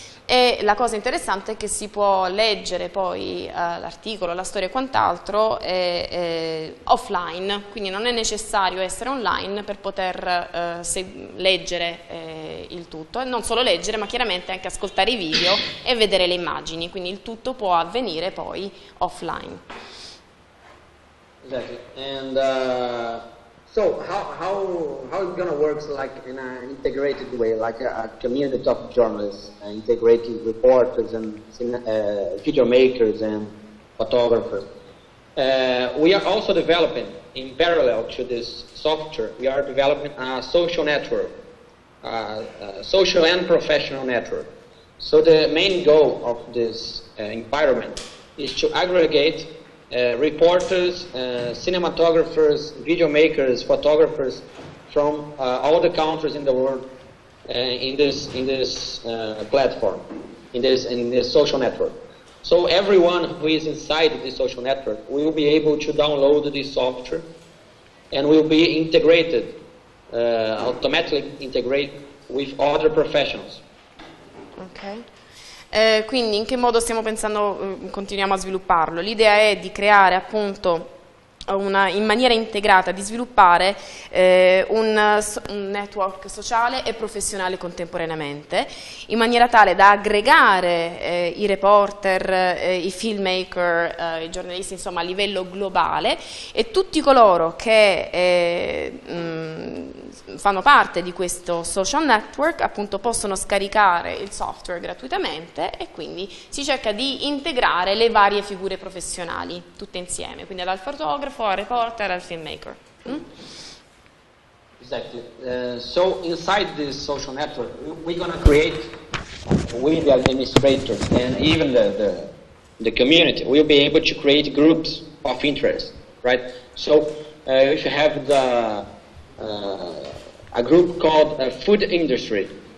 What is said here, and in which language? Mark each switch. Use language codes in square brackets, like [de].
[it] E la cosa interessante è che si può leggere poi l'articolo, la storia e quant'altro offline, quindi non è necessario essere online per poter leggere il tutto, e non solo leggere ma chiaramente anche ascoltare i video e vedere le immagini, quindi il tutto può avvenire poi offline. Esatto. [en] And so how it's gonna work like in an integrated way, like a community of journalists integrating reporters and future makers and photographers? We are also developing, in parallel to this software, we are developing a social network, a social and professional network. So the main goal of this environment is to aggregate reporters, cinematographers, video makers, photographers from all the countries in the world in this platform, in this social network. So everyone who is inside the social network will be able to download this software and will be integrated, automatically integrated with other professionals. Okay. [it] Quindi in che modo stiamo pensando, continuiamo a svilupparlo? L'idea è di creare appunto in maniera integrata, di sviluppare un network sociale e professionale contemporaneamente, in maniera tale da aggregare i reporter, i filmmaker, i giornalisti, insomma a livello globale, e tutti coloro che fanno parte di questo social network appunto possono scaricare il software gratuitamente, e quindi si cerca di integrare le varie figure professionali tutte insieme, quindi dal fotografo al reporter al filmmaker. [en] Exactly. So inside this social network we're going to create, we the administrators and even the community will be able to create groups of interest, right? So if you have the a group called Food Industry.